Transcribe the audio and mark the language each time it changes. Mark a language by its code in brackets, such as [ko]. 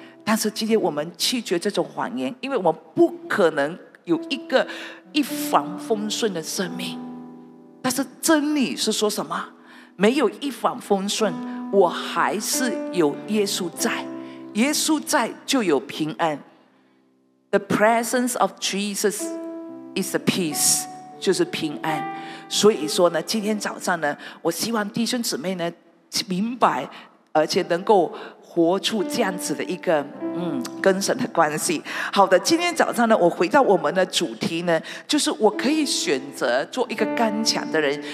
[zh] 但是今天我们拒绝这种谎言，因为我们不可能有一个一帆风顺的生命。但是真理是说什么？没有一帆风顺，我还是有耶稣在，耶稣在就有平安。 [en] The presence of Jesus is the peace， [zh] 就是平安。所以说呢，今天早上呢，我希望弟兄姊妹呢明白，而且能够活出这样子的一个跟神的关系。好的，今天早上呢，我回到我们的主题呢，就是我可以选择做一个刚强的人。